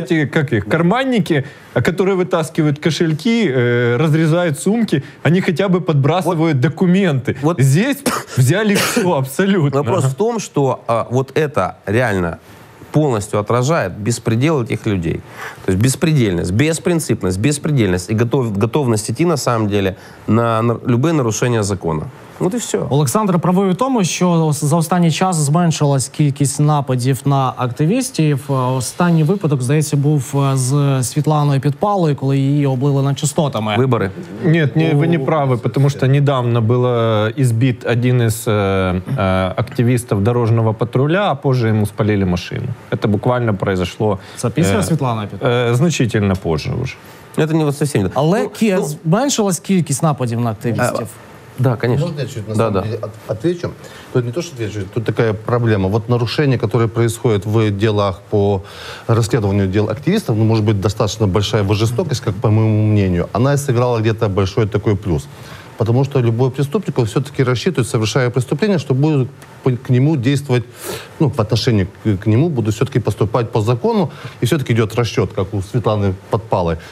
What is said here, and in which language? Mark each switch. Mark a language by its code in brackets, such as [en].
[ru] эти, как их, карманники, которые вытаскивают кошельки, разрезают сумки, они хотя бы подбрасывают документы. Вот. Здесь взяли все абсолютно. Вопрос в том, что вот это реально полностью отражает беспредел этих людей. То есть беспредельность, беспринципность, беспредельность и готовность идти на самом деле на любые нарушения закона. [uk] От і все. Олександр правий у тому, що за останній час зменшилась кількість нападів на активістів. Останній випадок, здається, був з Світланою Підпалою, коли її облили нечистотами. Вибори? Ні, ні, ви не праві, тому що недавно був ізбіт один із активістів дорожнього патруля, [ru] а позже [uk] йому спалили машину. Це буквально [ru] произошло... [uk] Це після Світлани Підпалої? [ru] Значительно позже вже. [uk] Це не зовсім. Але зменшилась кількість нападів на активістів. [ru] Да, конечно. Можно я чуть-чуть, на самом деле, отвечу? Тут не то, что отвечу, тут такая проблема. Вот нарушения, которые происходят в делах по расследованию дел активистов, ну, может быть, достаточно большая его жестокость, как по моему мнению, она и сыграла где-то большой такой плюс. Потому что любой преступник, он все-таки рассчитывает, совершая преступление, что будет к нему действовать, ну, в отношении к нему, будут все-таки поступать по закону, и все-таки идет расчет, как у Светланы Подпалой.